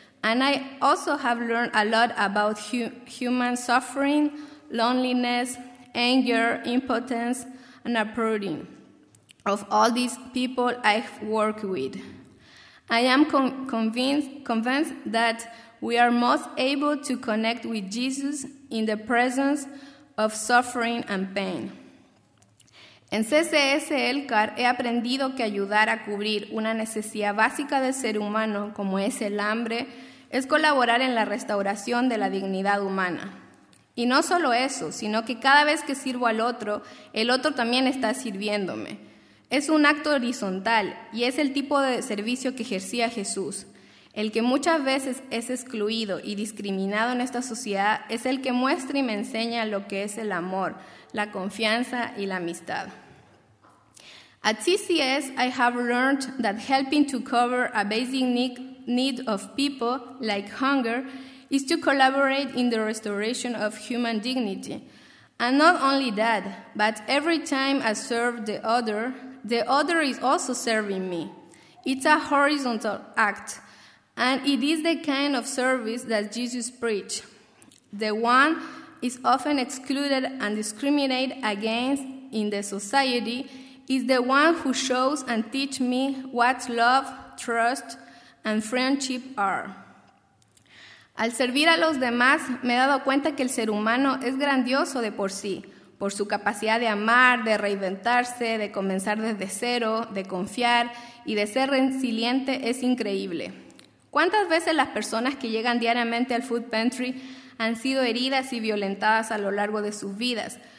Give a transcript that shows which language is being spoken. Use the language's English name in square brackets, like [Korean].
[English] And I also have learned a lot about human suffering, loneliness, anger, impotence, and uprooting of all these people I've worked with. I am convinced that we are most able to connect with Jesus in the presence of suffering and pain. [Spanish] En CCS Elcar he aprendido que ayudar a cubrir una necesidad básica del ser humano, como es el hambre, es colaborar en la restauración de la dignidad humana. Y no solo eso, sino que cada vez que sirvo al otro, el otro también está sirviéndome. Es un acto horizontal y es el tipo de servicio que ejercía Jesús. El que muchas veces es excluido y discriminado en esta sociedad es el que muestra y me enseña lo que es el amor, la confianza y la amistad. [English] At CCS, I have learned that helping to cover a basic need of people, like hunger, is to collaborate in the restoration of human dignity. And not only that, but every time I serve the other is also serving me. It's a horizontal act, and it is the kind of service that Jesus preached. The one is often excluded and discriminated against in the society is the one who shows and teach me what love, trust, and friendship are. [Spanish] Al servir a los demás, me he dado cuenta que el ser humano es grandioso de por sí, por su capacidad de amar, de reinventarse, de comenzar desde cero, de confiar y de ser resiliente es increíble. ¿Cuántas veces las personas que llegan diariamente al [English] food pantry [Spanish] han sido heridas y violentadas a lo largo de sus vidas?